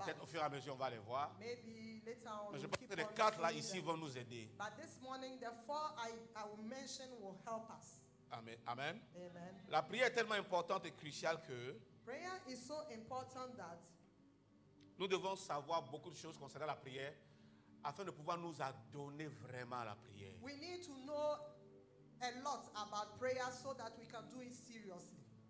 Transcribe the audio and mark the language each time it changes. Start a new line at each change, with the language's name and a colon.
French: Peut-être au fur et à mesure, on va les voir.
English: Maybe later on
French: mais je
English: we'll
French: pense que les 4 là ici vont nous aider.
English: But this morning, the 4 I will mention will help us. Amen. Amen.
French: La prière est tellement importante et cruciale que
English: prayer is so important that
French: nous devons savoir beaucoup de choses concernant la prière afin de pouvoir nous adonner vraiment à la prière.
English: We need to know a lot about prayer so that we can do it seriously.